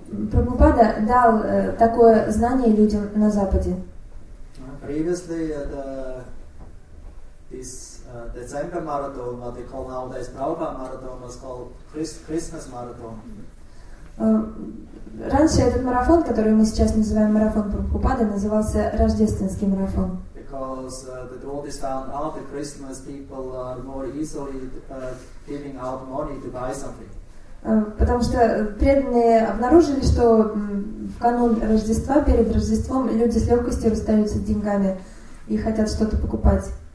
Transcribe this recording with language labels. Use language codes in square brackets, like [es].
[ru] Прабхупада дал такое знание людям на Западе. [en] Previously the December marathon, what they call nowadays Prabhupada marathon, was called Christmas marathon. [ru] Раньше этот марафон, который мы сейчас называем марафон Прабхупады, назывался Рождественский марафон. [en] Because the devotees found out that Christmas people are more easily giving out money to buy something. [ru] Потому что преданные обнаружили, что в канун Рождества, перед Рождеством, люди с легкостью расстаются деньгами и хотят что-то покупать.